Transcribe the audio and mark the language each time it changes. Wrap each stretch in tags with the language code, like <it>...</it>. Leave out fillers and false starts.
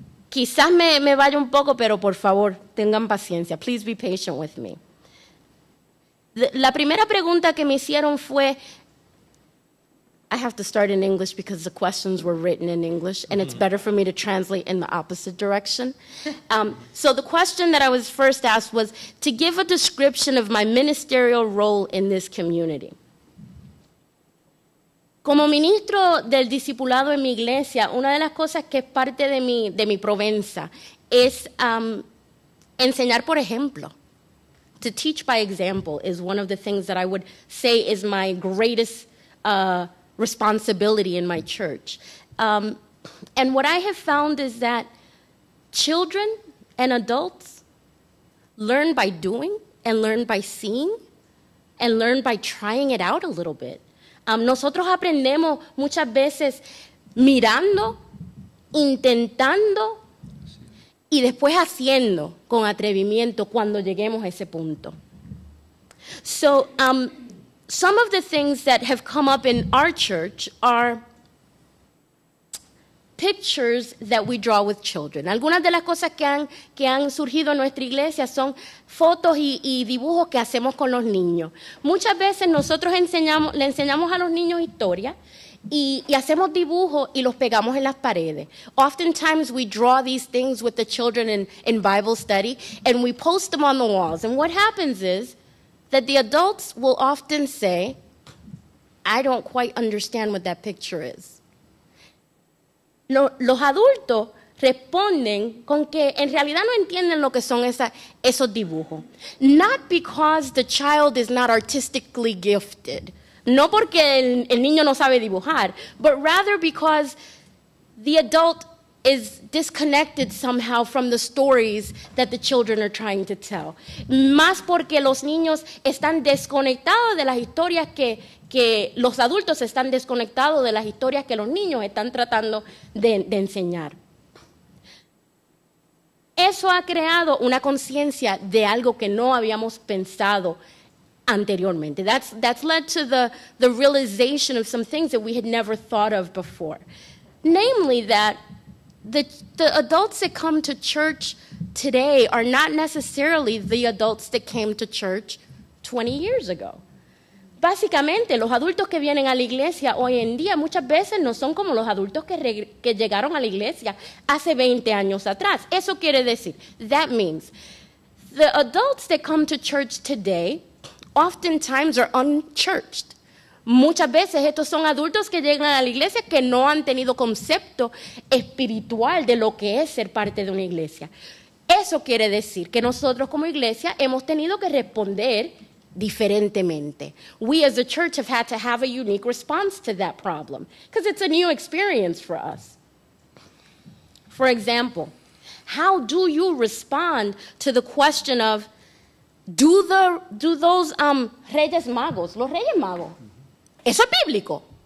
<es>Quizás me vaya un poco, pero por favor, tengan paciencia.</es> <en>Please be patient with me.</en> <es>La primera pregunta que me hicieron fue,</es> <en>I have to start in English because the questions were written in English, and it's better for me to translate in the opposite direction. So the question that I was first asked was to give a description of my ministerial role in this community.</en> <es>Como ministro del discipulado en mi iglesia, una de las cosas que es parte de mi provenza es enseñar por ejemplo.</es> <en>To teach by example is one of the things that I would say is my greatest responsibility in my church. And what I have found is that children and adults learn by doing and learn by seeing and learn by trying it out a little bit.</en> <es>Nosotros aprendemos muchas veces mirando, intentando y después haciendo con atrevimiento cuando lleguemos a ese punto.</es> <en>So, some of the things that have come up in our church are pictures that we draw with children.</en> <es>Algunas de las cosas que han surgido en nuestra iglesia son fotos y dibujos que hacemos con los niños. Muchas veces nosotros le enseñamos a los niños historia y hacemos dibujos y los pegamos en las paredes.</es> <en>Oftentimes we draw these things with the children in Bible study and we post them on the walls. And what happens is that the adults will often say, I don't quite understand what that picture is.</en> <es>Los adultos responden con que en realidad no entienden lo que son esos dibujos.</es> <en>Not because the child is not artistically gifted.</en> <es>No porque el niño no sabe dibujar,</es> <en>but rather because the adult is disconnected somehow from the stories that the children are trying to tell.</en> <es>Más porque los niños están desconectados de las historias que los adultos están desconectados de las historias que los niños están tratando de enseñar. Eso ha creado una conciencia de algo que no habíamos pensado anteriormente.</es> <en>That's led to the realization of some things that we had never thought of before. Namely that the adults that come to church today are not necessarily the adults that came to church 20 years ago.</en> <es>Básicamente, los adultos que vienen a la iglesia hoy en día muchas veces no son como los adultos que llegaron a la iglesia hace 20 años atrás. Eso quiere decir,</es> <en>that means, the adults that come to church today oftentimes are unchurched.</en> <es>Muchas veces estos son adultos que llegan a la iglesia que no han tenido concepto espiritual de lo que es ser parte de una iglesia. Eso quiere decir que nosotros como iglesia hemos tenido que responder diferentemente.</es> <en>We as a church have had to have a unique response to that problem because it's a new experience for us. For example, how do you respond to the question of do those Reyes Magos, los Reyes Magos,</en> <es>eso es bíblico?</es>